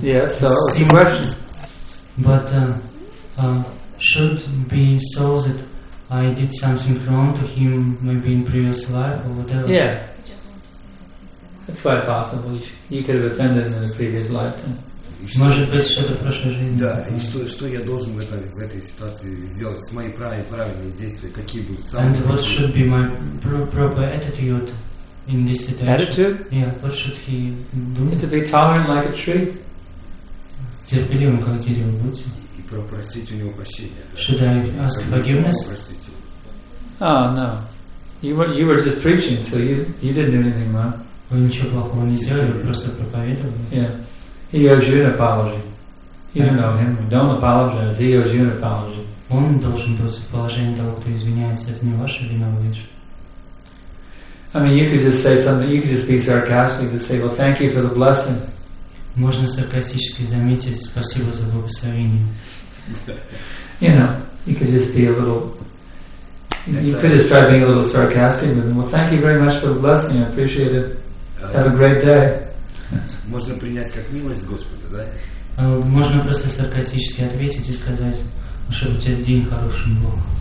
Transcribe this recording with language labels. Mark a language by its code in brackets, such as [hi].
[en] Yes, yeah, so question. But should be so that I did something wrong to him, maybe in previous life or whatever. Yeah, it's quite possible. You could have offended him in a previous life too. [ru] Может быть, что-то в прошлой жизни. Да, и что я должен в этой ситуации сделать с моими правильными действиями? Какие будут самые... [en] And what should be my proper attitude in this situation? Attitude? Yeah, what should he do? To be tolerant like a tree? [ru] Терпеливым, как дерево, будьте. И попросить у него прощения. [en] Should I ask forgiveness? Oh, no. You were just preaching, so you didn't do anything wrong. [ru] Вы ничего плохого не сделали, вы просто проповедовали. [en] Yeah. He owes you an apology. You don't know him. Don't apologize. He owes you an apology. [ru] Он должен быть в положении того, кто извиняется. Это не ваша вина, лишь. [en] I mean, you could just say something. You could just be sarcastic to say, "Well, thank you for the blessing." [ru] Можно саркастически заметить, спасибо за благословение. [en] You know, you could just be a little. You could just try being a little sarcastic, but well, thank you very much for the blessing. I appreciate it. Have a great day. [ru] Можно принять как милость Господа, да? Можно просто саркастически ответить и сказать, чтобы у тебя день хорошим был.